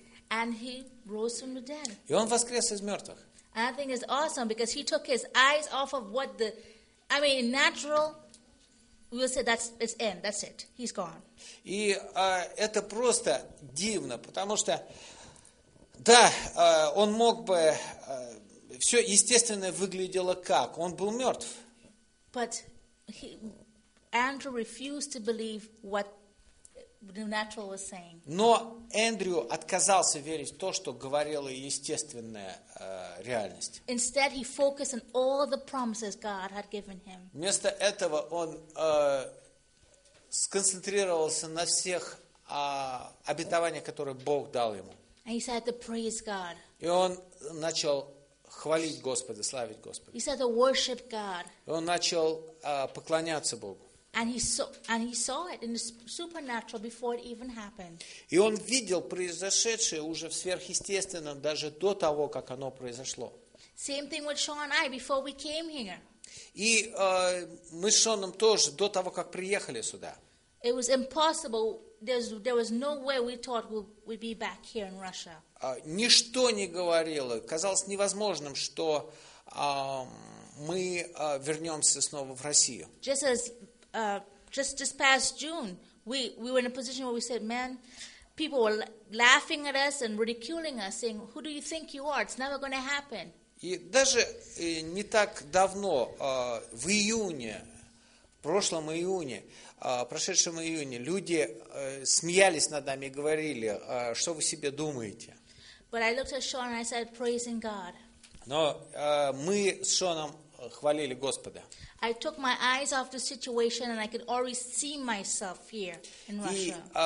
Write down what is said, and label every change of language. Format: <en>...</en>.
<en>And he rose from the dead.</en> <ru>И он воскрес из мертвых.</ru> <en>And I think it's awesome because he took his eyes off of what the, I mean, in natural, we'll say that's it's end, that's it, he's gone.</en> <ru>И это просто дивно, потому что, да, он мог бы, все естественно выглядело как, он был мертв.</ru> <en>But Andrew refused to believe what the natural was saying.</en> <ru>Но Эндрю отказался верить в то, что говорила естественная реальность.</ru> <en>Instead, he focused on all the promises God had given him.</en> <ru>Вместо этого он сконцентрировался на всех обетованиях, которые Бог дал ему.</ru> <en>And he said to praise God.</en> <ru>И он начал хвалить Господа, славить Господа.</ru> <en>He said to worship God.</en> <ru>И он начал поклоняться Богу.</ru> <en>And he saw it in the supernatural before it even happened.</en> <ru>И он видел произошедшее уже в сверхъестественном даже до того, как оно произошло.</ru> <en>Same thing with Sean and I before we came here.</en> <ru>И мы с Шоном тоже до того, как приехали сюда.</ru> <en>It was impossible. There was no way we thought we'd be back here in Russia.</en> <ru>Ничто не говорило, казалось невозможным, что мы вернемся снова в Россию.</ru> <en>Just this past June, we were in a position where we said, "Man, people were laughing at us and ridiculing us, saying, 'Who do you think you are? It's never going to happen.'"</en> <ru>И даже не так давно, в июне, в прошлом июне, прошедшем июне, люди смеялись над нами и говорили, что вы себе думаете.</ru> <en>But I looked at Sean and I said, "Praising God."</en> <ru>Но мы с Шоном хвалили Господа.</ru> <en>I took my eyes off the situation and I could already see myself here in Russia.</en>